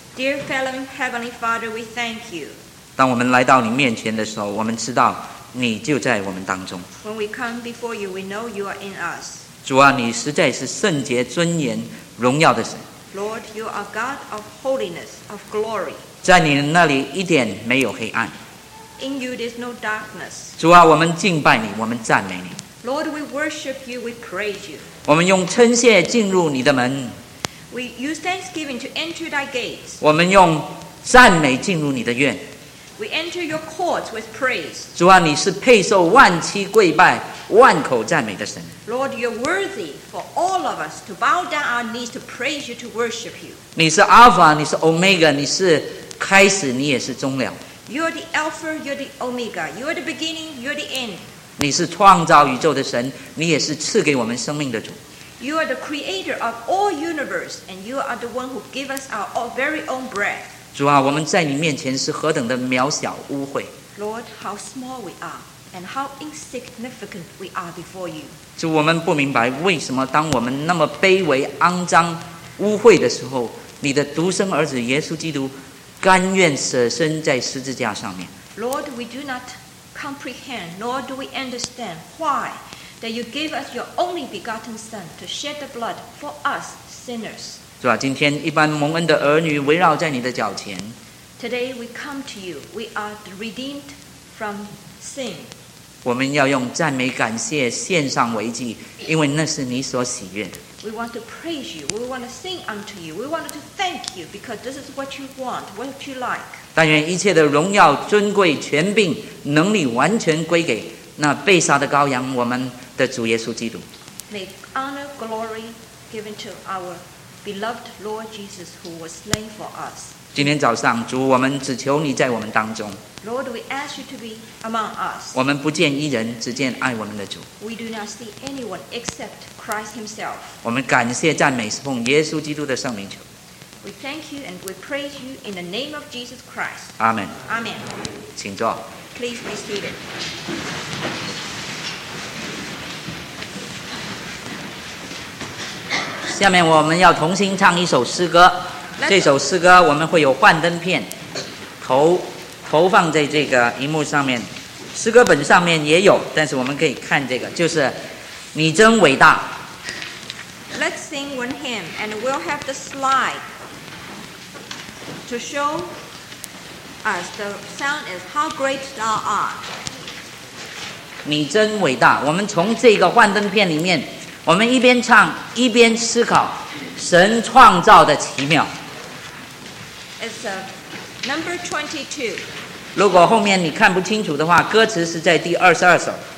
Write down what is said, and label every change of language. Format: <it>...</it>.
<en>Dear fellow Heavenly Father, we thank you.</en> <zh>当我们来到你面前的时候，我们知道你就在我们当中。</zh> <en>When we come before you, we know you are in us.</en> <zh>主啊，你实在是圣洁、尊严、荣耀的神。</zh> <en>Lord, you are God of holiness, of glory.</en> <zh>在你那里一点没有黑暗。</zh> <en>In you, there is no darkness.</en> <zh>主啊，我们敬拜你，我们赞美你。</zh> <en>Lord, we worship you, we praise you.</en> <zh>我们用称谢进入你的门。</zh> <en>We use thanksgiving to enter thy gates.</en> <zh>我们用赞美进入你的院。</zh> <en>We enter your courts with praise.</en> <zh>主啊，你是配受万膝跪拜、万口赞美的神。</zh> <en>Lord, you're worthy for all of us to bow down our knees to praise you, to worship you.</en> <zh>你是 Alpha, 你是 Omega, 你是开始，你也是终了。</zh> <en>You're the Alpha, you're the Omega. You're the beginning, you're the end.</en> <zh>你是创造宇宙的神，你也是赐给我们生命的主。</zh> <en>You are the creator of all universe, and you are the one who gave us our very own breath.</en> <zh>主啊，我们在你面前是何等的渺小污秽。</zh> <en>Lord, how small we are, and how insignificant we are before you.</en> <zh>主，我们不明白为什么当我们那么卑微、肮脏、污秽的时候，你的独生儿子耶稣基督甘愿舍身在十字架上面。</zh> <en>Lord, we do not comprehend, nor do we understand why. That you gave us your only begotten Son to shed the blood for us sinners.</en> <zh>主啊，今天一般蒙恩的儿女围绕在你的脚前。</zh> <en>Today we come to you. We are redeemed from sin.</en> <zh>我们要用赞美感谢献上为祭，因为那是你所喜悦的。</zh> <en>We want to praise you. We want to sing unto you. We want to thank you because this is what you want, what you like.</en> <zh>但愿一切的荣耀、尊贵、权柄、能力完全归给那被杀的羔羊，我们。的主耶稣基督。</zh> <en>May honor, glory given to our beloved Lord Jesus, who was slain for us.</en> <zh>今天早上，主，我们只求你在我们当中。</zh> <en>Lord, we ask you to be among us.</en> <zh>我们不见一人，只见爱我们的主。</zh> <en>We do not see anyone except Christ Himself.</en> <zh>我们感谢赞美是奉耶稣基督的圣名求。</zh> <en>We thank you and we praise you in the name of Jesus Christ. Amen. Amen.</en> <zh>请坐。</zh> <en>Please be seated.</en> <zh>下面我们要同心唱一首诗歌，这首诗歌我们会有幻灯片投放在这个荧幕上面，诗歌本上面也有，但是我们可以看这个，就是你真伟大。</zh> <en>Let's sing one hymn and we'll have the slide to show us the sound is how great thou art.</en> <zh>你真伟大，我们从这个幻灯片里面我们一边唱一边思考神创造的奇妙。</zh> <en>It's a number 22.</en> <zh>如果后面你看不清楚的话，歌词是在第22首。</zh>